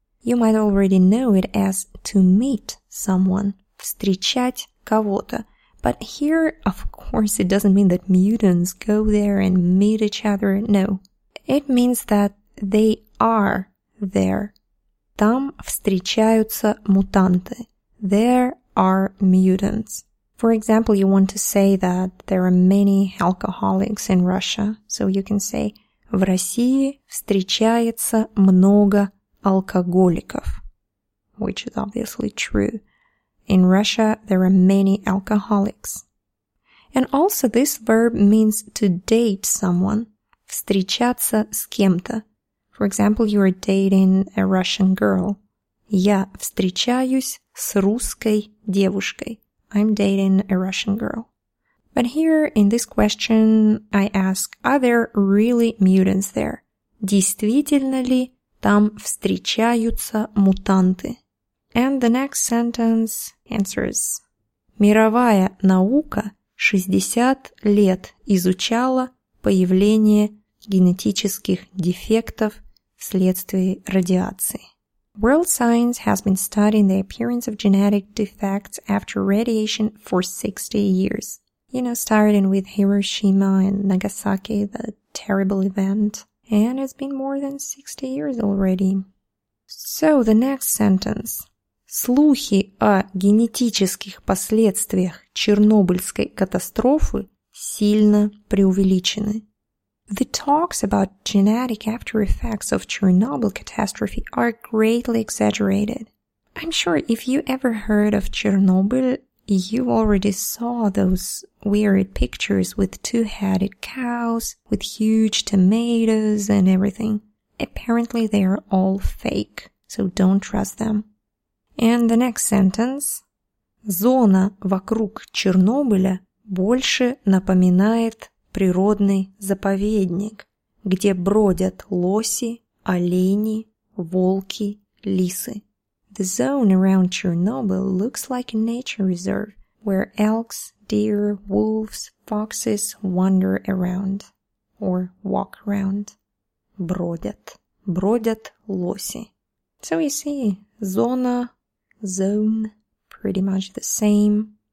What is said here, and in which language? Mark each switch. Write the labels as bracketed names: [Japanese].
[English] You might already know it as to meet someone. [Russian] Встречать кого-то. [English] But here, of course, it doesn't mean that mutants go there and meet each other. No. It means that they are there. [Russian] Там встречаются мутанты. [English] There are mutants. For example, you want to say that there are many alcoholics in Russia. So you can say, [Russian] в России встречается много алкоголиков. [English] Which is obviously true. In Russia, there are many alcoholics. And also, this verb means to date someone. [Russian] Встречаться с кем-то. [English] For example, you are dating a Russian girl. [Russian] Я встречаюсь с русской девушкой. [English] I'm dating a Russian girl. But here, in this question, I ask, are there really mutants there? [Russian] Действительно ли там встречаются мутанты? [English] And the next sentence answers. [Russian] Мировая наука 60 лет изучала появление генетических дефектов вследствие радиации. [English] World science has been studying the appearance of genetic defects after radiation for 60 years. You know, starting with Hiroshima and Nagasaki, the terrible event. And it's been more than 60 years already. So, the next sentence. [Russian] Слухи о генетических последствиях Чернобыльской катастрофы сильно преувеличены. [English] The talks about genetic after effects of Chernobyl catastrophe are greatly exaggerated. I'm sure if you ever heard of Chernobyl, you already saw those weird pictures with two-headed cows, with huge tomatoes and everything. Apparently they are all fake, so don't trust them. And the next sentence. [Russian] Зона вокруг Чернобыля больше напоминает природный заповедник, где бродят лоси, олени, волки, лисы. [English] The zone around Chernobyl looks like a nature reserve, where elks, deer, wolves, foxes wander around, or walk around. [Russian] Бродят. Бродят лоси. [English] So you see, зона, zone, pretty much the same.